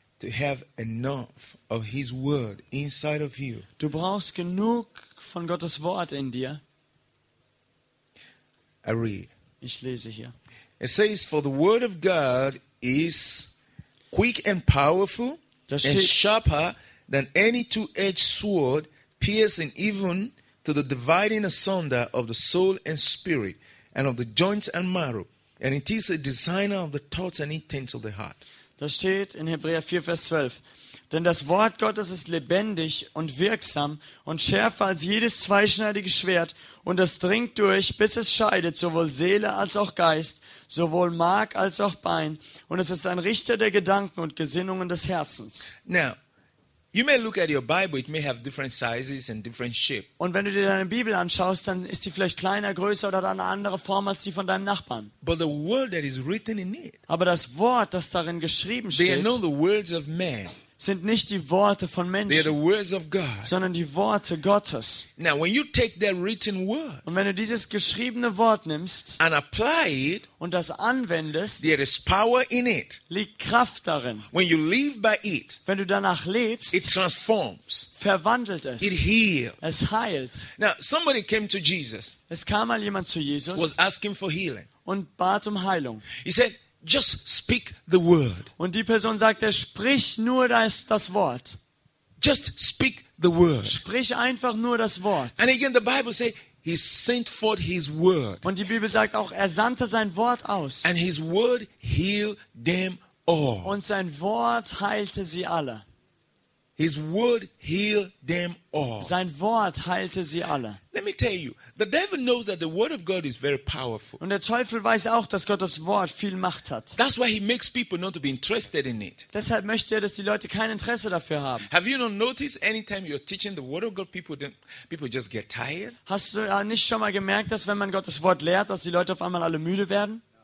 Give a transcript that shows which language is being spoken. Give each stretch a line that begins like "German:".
English: to have enough of His word inside of you.
German: Du brauchst genug von Gottes Wort in dir.
English: I read.
German: Ich lese hier.
English: It says, for the word of God is quick and powerful and sharper than any two-edged sword, piercing even to the dividing asunder of the soul and spirit, and of the joints and marrow. And it is a designer of the thoughts and intents of the heart.
German: Da steht in Hebräer 4, Vers 12. Denn das Wort Gottes ist lebendig und wirksam und schärfer als jedes zweischneidige Schwert, und es dringt durch, bis es scheidet, sowohl Seele als auch Geist, sowohl Mark als auch Bein, und es ist ein Richter der Gedanken und Gesinnungen des Herzens.
English: Now, you may look at your Bible, it may have different sizes and different shape.
German: Und wenn du dir deine Bibel anschaust, dann ist die vielleicht kleiner, größer oder eine andere Form als die von deinem Nachbarn.
English: But the word that is written in it.
German: Aber das Wort, das darin geschrieben steht,
English: they are not the words of man.
German: Sind nicht die Worte von Menschen,
English: the words of God.
German: Sondern die Worte Gottes.
English: Now, when you take that written word,
German: und wenn du dieses geschriebene Wort nimmst
English: and apply it,
German: und das anwendest,
English: there is power in it.
German: Liegt Kraft darin.
English: When you live by it,
German: wenn du danach lebst,
English: it transforms.
German: Verwandelt es.
English: It heals.
German: Es heilt.
English: Now, somebody came to Jesus,
German: es kam mal jemand zu Jesus,
English: was asking for healing,
German: und bat um Heilung.
English: He said, just speak the word.
German: Und die Person sagte, sprich nur das Wort.
English: Just speak the word.
German: Sprich einfach nur das Wort.
English: And again the Bible says, he sent forth his word.
German: Und die Bibel sagt auch, er sandte sein Wort aus.
English: And his word healed them all.
German: Und sein Wort heilte sie alle.
English: His word healed them all.
German: Sein Wort heilte sie alle.
English: Let me tell you, the devil knows that the word of God is very powerful.
German: Und der Teufel weiß auch, dass Gottes Wort viel Macht hat.
English: That's why he makes people not to be interested in it.
German: Deshalb möchte er, dass die Leute kein Interesse dafür haben.
English: Have you not noticed anytime you're teaching the word of God, people just get tired?
German: Hast du nicht schon mal gemerkt, dass wenn man Gottes Wort lehrt, dass die Leute auf einmal alle müde werden?